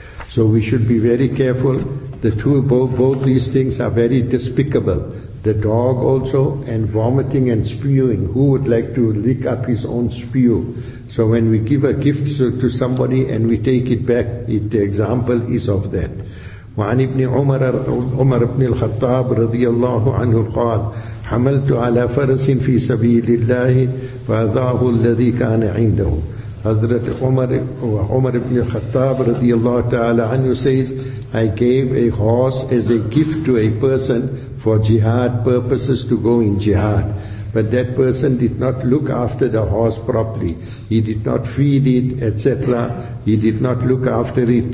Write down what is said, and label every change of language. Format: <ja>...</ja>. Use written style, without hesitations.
<en>So we should be very careful. The two, both these things are very despicable. The dog also, and vomiting and spewing. Who would like to lick up his own spew? So when we give a gift to somebody and we take it back, the example is of that.</en> <ar>وعن ابن عمر بن الخطاب رضي الله عنه قال حملت على فرس في سبيل الله فأضاعه الذي كان عنده.</ar> <en>Hazrat Umar ibn al-Khattab radiyallahu ta'ala anhu says, I gave a horse as a gift to a person for jihad purposes, to go in jihad. But that person did not look after the horse properly. He did not feed it, etc. He did not look after it.</en>